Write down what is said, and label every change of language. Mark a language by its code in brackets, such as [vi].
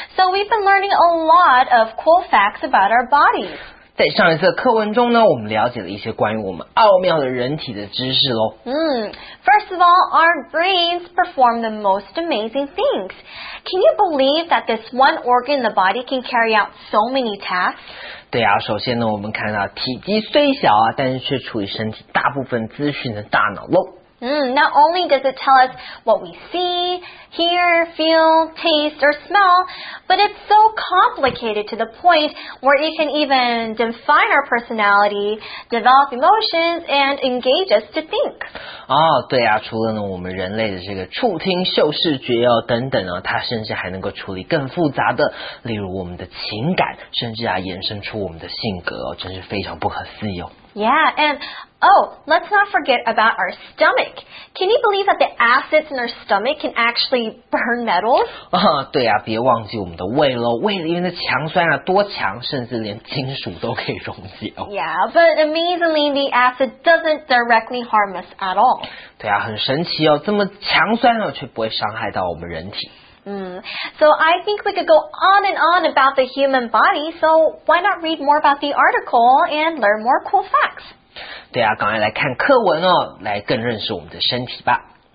[en] So we've been learning a lot of cool facts about our bodies. [zh] 在上一次课文中呢，我们了解了一些关于我们奥妙的人体的知识咯。 [en] First of all, our brains perform the most amazing things. Can you believe that this one organ in the body can carry out so many tasks? [zh] 对啊，首先呢，我们看到体积虽小啊，但是却处于身体大部分资讯的大脑喽。 [en] Not only does it tell us what we see, hear, feel, taste, or smell, but it's so complicated to the point where it can even define our personality, develop emotions, and engage us to think. [zh] 哦，对啊，除了呢，我们人类的这个触听、嗅视觉哦等等啊，它甚至还能够处理更复杂的，例如我们的情感，甚至啊衍生出我们的性格哦，真是非常不可思议哦。 [en] Yeah, and let's not forget about our stomach. Can you believe that the acids in our stomach can actually burn metals? [zh] 对啊，别忘记我们的胃咯，胃里面的强酸啊，多强，甚至连金属都可以溶解哦。 [en] Yeah, but amazingly, the acid doesn't directly harm us at all. [zh] 对啊，很神奇哦，这么强酸啊，却不会伤害到我们人体。 [en] So I think we could go on and on about the human body, so why not read more about the article and learn more cool facts? [zh] 对啊，赶快来看课文哦，来更认识我们的身体吧。